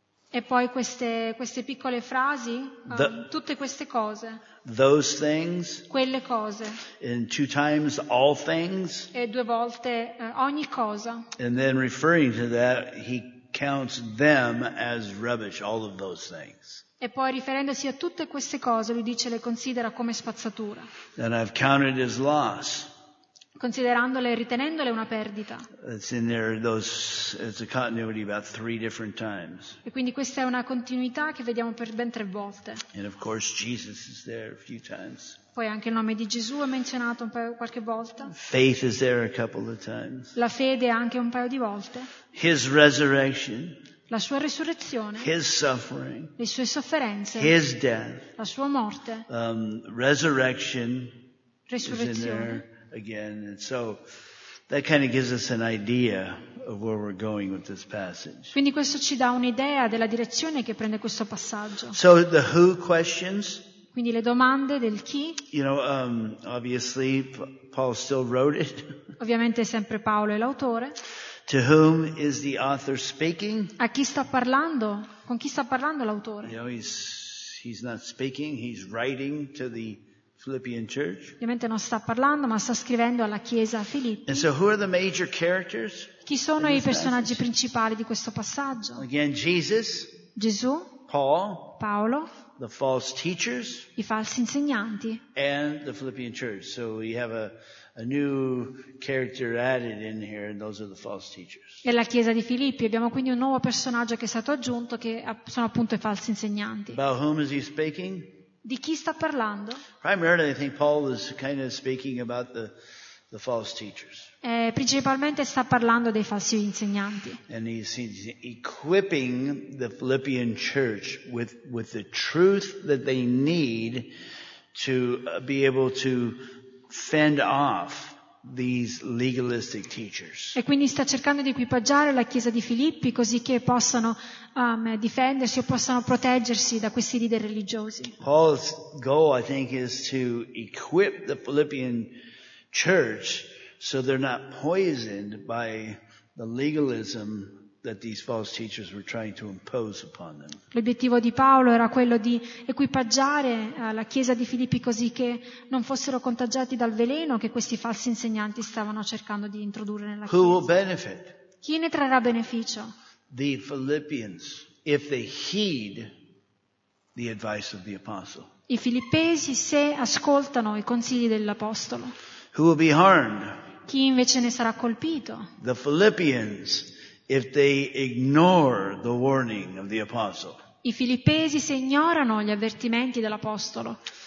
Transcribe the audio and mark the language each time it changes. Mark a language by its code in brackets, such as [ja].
[it] E poi queste piccole frasi, tutte queste cose. [en] Those things. [it] Quelle cose. [en] And two times all things. [it] E due volte ogni cosa. [en] And then referring to that, he counts them as rubbish, all of those things. [it] E poi riferendosi a tutte queste cose, lui dice le considera come spazzatura. [en] And I've counted as loss. [it] Considerandole e ritenendole una perdita. [en] It's in there, it's a continuity about three different times. [it] E quindi questa è una continuità che vediamo per ben tre volte. [en] And of course Jesus is there a few times. [it] Poi anche il nome di Gesù è menzionato un paio qualche volta. [en] Faith is there a couple of times. [it] La fede anche un paio di volte. [en] His resurrection. [it] La sua resurrezione. [en] His suffering. [it] Le sue sofferenze. [en] His death. [it] La sua morte. [en] Resurrection. [it] Resurrezione. [en] Again, and so that kind of gives us an idea of where we're going with this passage. [it] Quindi questo ci dà un'idea della direzione che prende questo passaggio. [en] So the who questions. [it] Quindi le domande del chi. [en] You know, obviously Paul still wrote it. [it] Ovviamente sempre Paolo è l'autore. [en] To whom is the author speaking? [it] A chi sta parlando? Con chi sta parlando l'autore? [en] You know, he's not speaking. He's writing to the Philippian church. [it] Ovviamente non sta parlando, ma sta scrivendo alla chiesa a Filippi. [en] And so who are the major characters? [it] Chi sono i personaggi principali di questo passaggio? [en] Again, Jesus. [it] Gesù. [en] Paul. [it] Paolo. [en] The false teachers. [it] I falsi insegnanti. [en] And the Philippian church. So we have a a new character added in here, and those are the false teachers. [it] E la chiesa di Filippi, abbiamo quindi un nuovo personaggio che è stato aggiunto, che sono appunto i falsi insegnanti. [en] About whom is he speaking? [it] Di chi sta parlando? [en] Primarily, I think Paul is kind of speaking about the false teachers. [it] Principalmente sta parlando dei falsi insegnanti. [en] And he's equipping the Philippian church with the truth that they need to be able to fend off these legalistic teachers. [it] E quindi sta cercando di equipaggiare la chiesa di Filippi così che possano difendersi o possano proteggersi da questi leader religiosi. [en] Paul's goal, I think, is to equip the Philippian church so they're not poisoned by the legalism that these false teachers were trying to impose upon them. [it] L'obiettivo di Paolo era quello di equipaggiare la chiesa di Filippi così che non fossero contagiati dal veleno che questi falsi insegnanti stavano cercando di introdurre nella chiesa. [en] Who will benefit? [it] Chi ne trarrà beneficio? [en] The Philippians, if they heed the advice of the apostle. [it] I filippesi se ascoltano i consigli dell'apostolo. [en] Who will be harmed? [it] Chi invece ne sarà colpito? [en] The Philippians. If they ignore the warning of the apostle. [it] I filippesi se ignorano gli avvertimenti dell'apostolo.